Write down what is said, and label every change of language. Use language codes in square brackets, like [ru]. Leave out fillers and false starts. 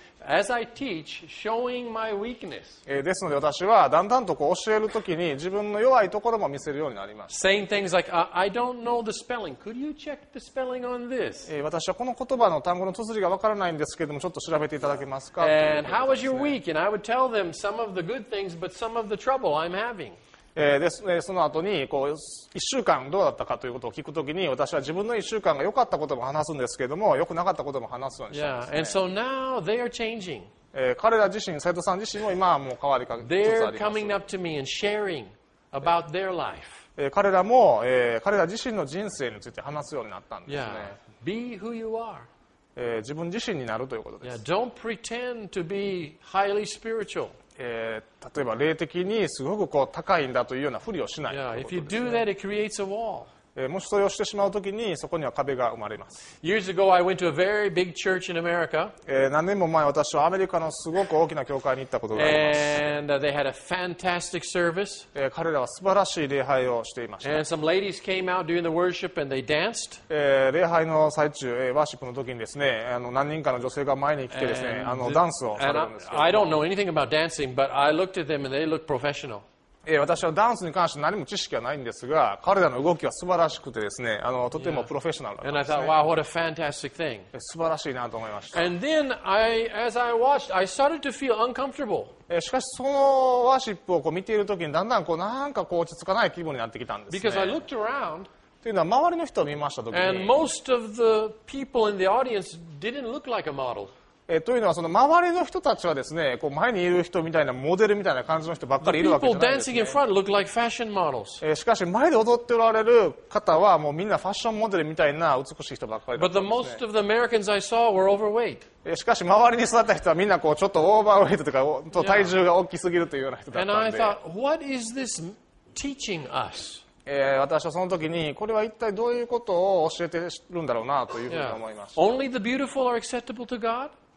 [en] As I teach, showing my weakness. [ja] ですので私はだんだんとこう教えるときに自分の弱いところも見せるようになります。 [en] Saying things like, I don't know the spelling. Could you check the spelling on this? [ja] 私はこの言葉の単語の綴りがわからないんですけれども、ちょっと調べていただけますか。 [en] And how was your week? And I would tell them some of the good things, but some of the trouble I'm having. [ja] その後にこう1週間どうだったかということを聞くときに私は自分の1週間が良かったことも話すんですけれども良くなかったことも話すようにしてますね。 [en] And so now they are changing. [ja] 彼ら自身生徒さん自身も今はもう変わりかけつつあります。 [en] They're coming up to me and sharing about their life. [ja] 彼らも、彼ら自身の人生について話すようになったんですね。 [en] Yeah. Be who you are. [ja] 自分自身になるということです。 [en] Yeah. Don't pretend to be highly spiritual. [ja] 例えば霊的にすごくこう高いんだというようなふりをしないということですね。 [en] Yeah, if you do that, it creates a wall. [ja] もしそれをしてしまうときにそこには壁が生まれます。 [en] Years ago, I went to a very big church in America. [ja] 何年も前私はアメリカのすごく大きな教会に行ったことがあります。 [en] And they had a fantastic service. [ja] 彼らは素晴らしい礼拝をしていました。 [en] And some ladies came out during the worship and they danced. [ja] 礼拝の最中、ワーシップの時にですね、何人かの女性が前に来てですね、ダンスをされるんですけど。 [en] I don't know anything about dancing, but I looked at them and they looked professional. [ja] 私はダンスに関して何も知識はないんですが、彼らの動きは素晴らしくてですね、とてもプロフェッショナルだったんですね。 [en] And I thought, wow, what a fantastic thing. [ja] 素晴らしいなと思いました。 [en] And then, as I watched, I started to feel uncomfortable. [ja] しかし、そのワーシップをこう見ているときに、だんだんこうなんかこう落ち着かない気分になってきたんですね。 [en] Because I looked around. [ja] というのは、周りの人を見ましたときに。 [en] And most of the people in the audience didn't look like a model. [ja] というのはその周りの人たちはですね、こう前にいる人みたいなモデルみたいな感じの人ばっかりいるわけじゃないですね。 [en] People dancing in front look like fashion models. [ja] しかし前で踊っておられる方はもうみんなファッションモデルみたいな美しい人ばっかりだったんですね。 [en] But the most of the Americans I saw were overweight. [ja] しかし周りに座った人はみんなこうちょっとオーバーウェイトとか体重が大きすぎるというような人だったんで。 [en] And I thought, what is this teaching us? [ja] 私はその時にこれは一体どういうことを教えてるんだろうなというふうに思いました。 [en] Yeah. Only the beautiful are acceptable to God?